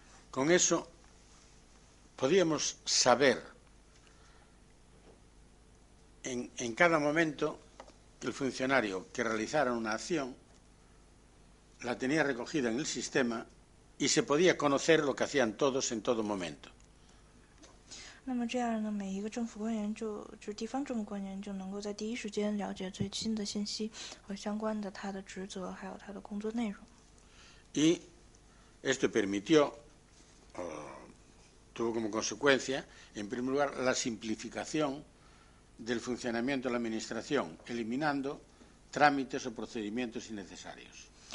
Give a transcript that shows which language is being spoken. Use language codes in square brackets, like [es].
[es] Con eso podíamos saber en cada momento que el funcionario que realizara una acción la tenía recogida en el sistema y se podía conocer lo que hacían todos en todo momento. [zh] 那么这样呢，每一个政府官员就地方政府官员就能够在第一时间了解最新的信息和相关的他的职责，还有他的工作内容。Y [es] esto permitió, tuvo como consecuencia, en primer lugar, la simplificación del funcionamiento de la administración, eliminando trámites o procedimientos innecesarios.